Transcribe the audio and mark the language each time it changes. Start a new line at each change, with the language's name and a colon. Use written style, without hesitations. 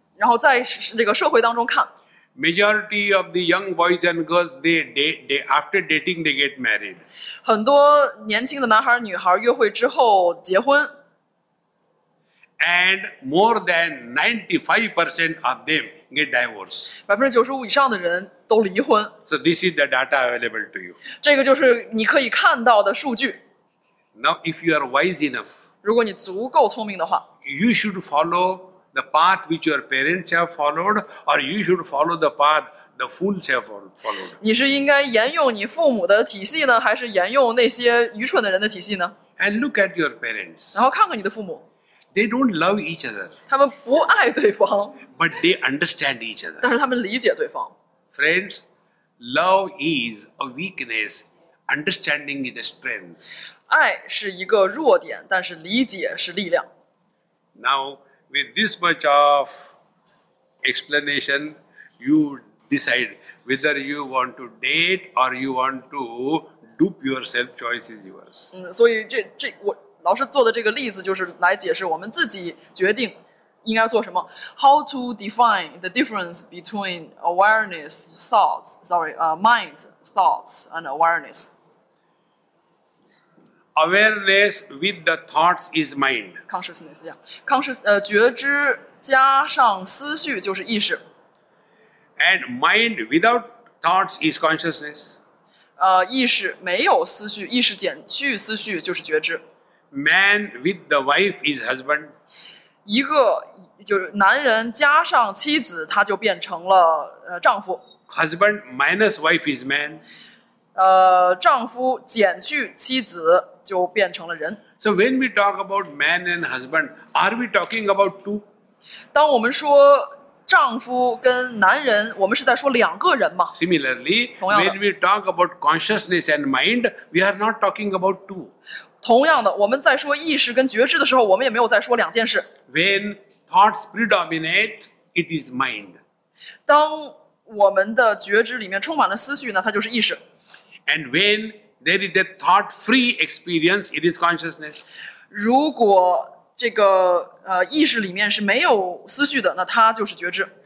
Chinese: 然后在这个社会当中看
English: ，majority of the young boys and girls they after dating they get married。
Chinese: 很多年轻的男孩女孩约会之后结婚。
English: And more than 95% of them get divorced。
Chinese: 95%以上的人都离婚。
English: So this is the data available to you。
Chinese: 这个就是你可以看到的数据。
English: Now if you are wise enough，
Chinese: 如果你足够聪明的话
English: ，you should follow。 The path which your parents have followed, or you should follow the path the fools have followed.
Chinese: 你是应该沿用你父母的体系呢，还是沿用那些愚蠢的人的体系呢
English: ？And look at your parents.
Chinese: 然后看看你的父母。
English: They don't love each other.
Chinese: 他们不爱对方。
English: But they understand each other.
Chinese: 但是他们理解对方。
English: Friends, love is a weakness. Understanding is a strength.
Chinese: 爱是一个弱点，但是理解是力量。
English: Now. With this much of explanation, you decide whether you want to date or you want to dupe yourself. Choice is yours.
Chinese: 所以这我老师做的这个例子就是来解释我们自己决定应该做什么。
English: How to define the difference between awareness thoughts? Mind thoughts and awareness. Awareness with the thoughts is mind. Consciousness, yeah. Consciousness,
Chinese: 觉知加上思绪就是意识。
English: And mind without thoughts is consciousness.
Chinese: 意识没有思绪，意识减去思绪就是觉知。
English: Man with the wife is husband.
Chinese: 一个就是男人加上妻子，他就变成了丈夫。
English: Husband minus wife is man.
Chinese: 丈夫减去妻子就变成了人。
English: So when we talk about man and husband, are we talking about two?
Chinese: 当我们说丈夫跟男人，我们是在说两个人吗？
English: Similarly, when we talk about consciousness and mind, we are not talking about two.
Chinese: 同样的，我们在说意识跟觉知的时候，我们也没有在说两件事。
English: When thoughts predominate, it is mind.
Chinese: 当我们的觉知里面充满了思绪呢，它就是意识。
English: And when there is a thought-free experience, it is consciousness.
Chinese: 如果这个意识里面是没有思绪的，那它就是觉知。